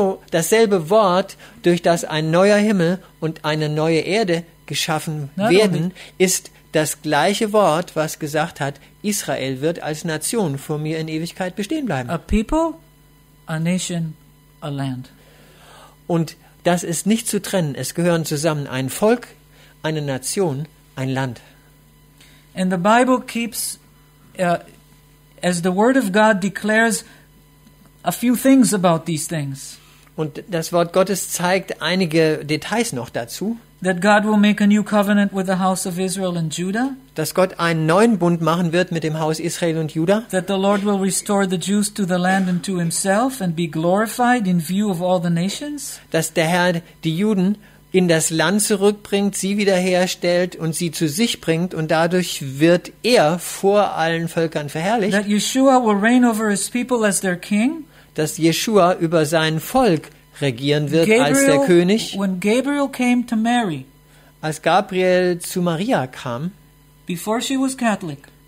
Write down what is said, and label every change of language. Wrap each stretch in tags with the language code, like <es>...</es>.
<de>Dasselbe Wort, durch das ein neuer Himmel und eine neue Erde geschaffen werden, ist das gleiche Wort, was gesagt hat, Israel wird als Nation vor mir in Ewigkeit bestehen bleiben.</de> <en>A people, a nation, a land.</en> <de>Und das ist nicht zu trennen. Es gehören zusammen ein Volk, eine Nation, ein Land.</de> <en>And the Bible keeps, as the Word of God declares, a few things about these things.</en> <de>Und das Wort Gottes zeigt einige Details noch dazu.</de> <en>That God will make a new covenant with the house of Israel and Judah.</en> <de>Dass Gott einen neuen Bund machen wird mit dem Haus Israel und Juda.</de> <en>That the Lord will restore the Jews to the land and to himself and be glorified in view of all the nations.</en> <de>Dass der Herr die Juden in das Land zurückbringt, sie wiederherstellt und sie zu sich bringt und dadurch wird er vor allen Völkern verherrlicht.</de> <en>That Yeshua will reign over his people as their king.</en> <de>Dass Yeshua über sein Volk regieren wird, Gabriel, als der König.</de> <en>When Gabriel came to Mary,</en> <de>als Gabriel zu Maria kam,</de> <en>before she was Catholic,</en>